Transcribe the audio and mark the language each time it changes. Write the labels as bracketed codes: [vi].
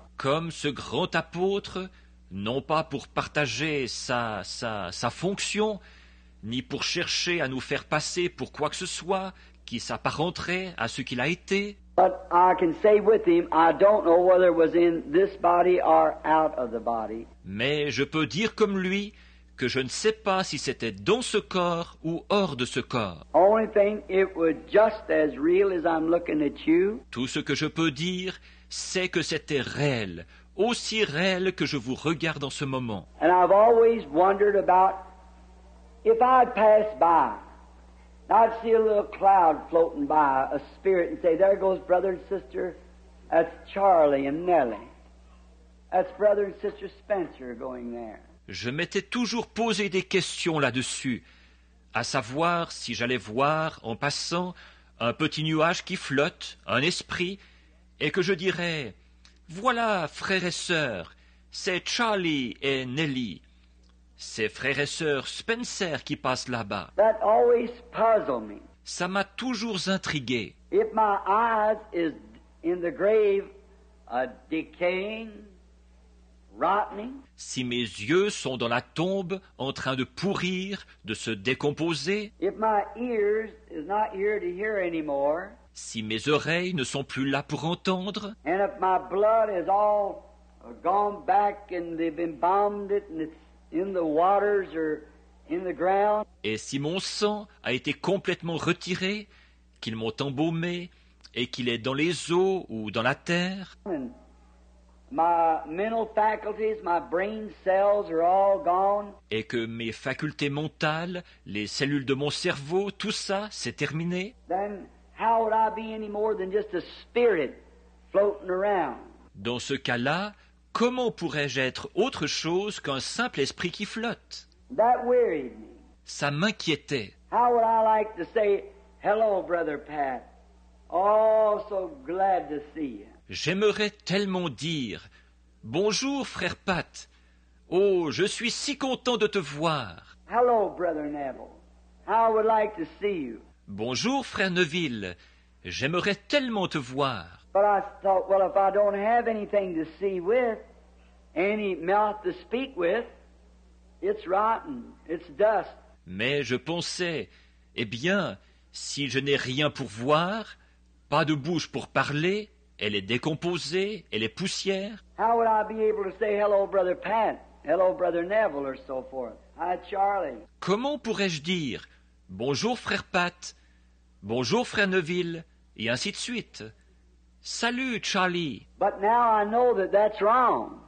[fr] Comme ce grand apôtre, non pas pour partager sa fonction, ni pour chercher à nous faire passer pour quoi que ce soit qui s'apparenterait à ce qu'il a été. [en] But I can say with him, I don't know whether it was in this body or out of the body. [fr] Mais je peux dire comme lui que je ne sais pas si c'était dans ce corps ou hors de ce corps. [en] Only thing, it was just as real as I'm looking at you. [fr] Tout ce que je peux dire, c'est que c'était réel, aussi réel que je vous regarde en ce moment. [en] And I've always wondered about if I'd pass by. I'd see a little cloud floating by, a spirit, and say, there goes brother and sister, that's Charlie and Nellie. That's brother and sister Spencer going there. [fr] Je m'étais toujours posé des questions là-dessus, à savoir si j'allais voir, en passant, un petit nuage qui flotte, un esprit, et que je dirais, voilà, frères et sœurs, c'est Charlie et Nellie. Ces frères et sœurs Spencer qui passent là-bas. [en] That always puzzled me. [fr] Ça m'a toujours intrigué. [en] If my eyes is in the grave, decaying, rotting. [fr] Si mes yeux sont dans la tombe, en train de pourrir, de se décomposer. [en] If my ears is not here to hear anymore. [fr] Si mes oreilles ne sont plus là pour entendre. [en] And if my blood is all gone back and they've embalmed it and it's in the waters or in the ground. [fr] Et si mon sang a été complètement retiré, qu'ils m'ont embaumé, et qu'il est dans les eaux ou dans la terre. [en] And my mental faculties, my brain cells are all gone. [fr] Et que mes facultés mentales, les cellules de mon cerveau, tout ça, c'est terminé. [en] Then how would I be any more than just a spirit floating around? [fr] Dans ce cas-là, comment pourrais-je être autre chose qu'un simple esprit qui flotte? [en] That wearied me. [fr] Ça m'inquiétait. [en] How would I like to say, hello, brother Pat. Oh, so glad to see you. [fr] J'aimerais tellement dire, bonjour, frère Pat. Oh, je suis si content de te voir. [en] Hello, brother Neville. How would I like to see you. [fr] Bonjour, frère Neville. J'aimerais tellement te voir. [en] But I thought, well, if I don't have anything to see with, any mouth to speak with, it's rotten, it's dust. [fr] Mais je pensais, eh bien, si je n'ai rien pour voir, pas de bouche pour parler, elle est décomposée, elle est poussière. [en] How would I be able to say hello, brother Pat, hello, brother Neville, or so forth? Hi, Charlie. [fr] Comment pourrais-je dire, bonjour, frère Pat, bonjour, frère Neville, et ainsi de suite? Salut, Charlie. [en] But now I know that that's wrong.